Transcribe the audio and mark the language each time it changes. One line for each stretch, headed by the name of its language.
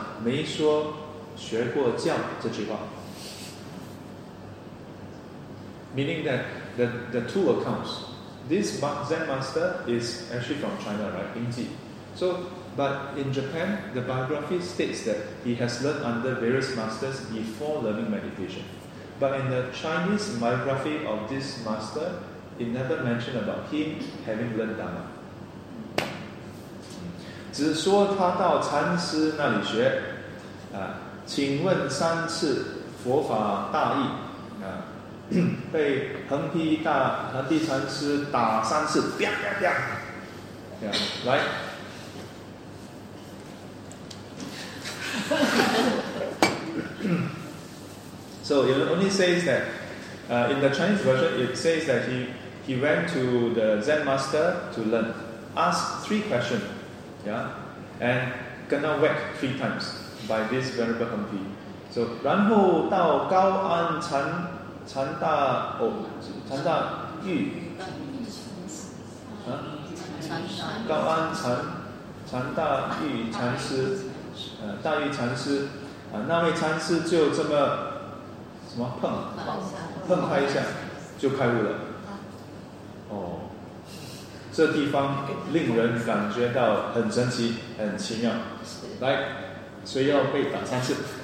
Chinese: 这个禅师语录上没说学过教这句话.
English: Meaning that the two accounts, this Zen master is actually from China, right? Lingzi. So, but in Japan, the biography states that he has learned under various masters before learning meditation. But in the Chinese biography of this master, it never mentioned about him having learned Dhamma.
Chinese: 只说他到禅师那里学, 请问三次佛法大义, 被横批禅师打三次, 啪啪啪, 来,
English: so it only says that in the Chinese version, it says that he went to the Zen master to learn, ask three questions, and kena whack three times by this Venerable Hengpi.
Chinese: So 然后到高安禅大玉禅师 大玉禅师，那位禅师就这么碰一下就开悟了。哦，这地方令人感觉到很神奇、很奇妙。来，所以要被打三次，